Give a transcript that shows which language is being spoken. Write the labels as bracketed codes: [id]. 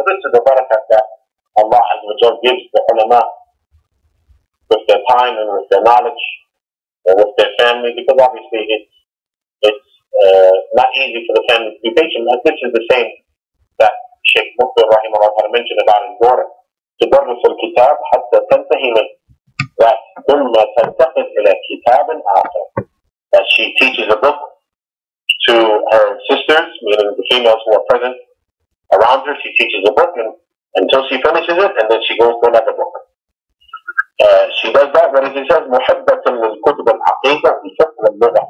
[en] So this is the barakah that Allah Azza wa Jalla gives the ulama, with their time and with their knowledge and with their family, because obviously it's not easy for the family to be patient. And this is the same that Sheikh Mukhtar rahimahullah had mentioned about his daughter. [ar] تدرس الكتاب حتى تنتهي منه. That ثم تلتفت إلى كتاب آخر. [en] That she teaches a book to her sisters, meaning the females who are present around her. She teaches a book until she finishes it, and then she goes to another book. She does that, but as he says, [ar] مُحَبَّةٌ لِلْكُتُبَ الْحَقِيقَةِ بِالْفِقْهِ وَاللُّغَةِ.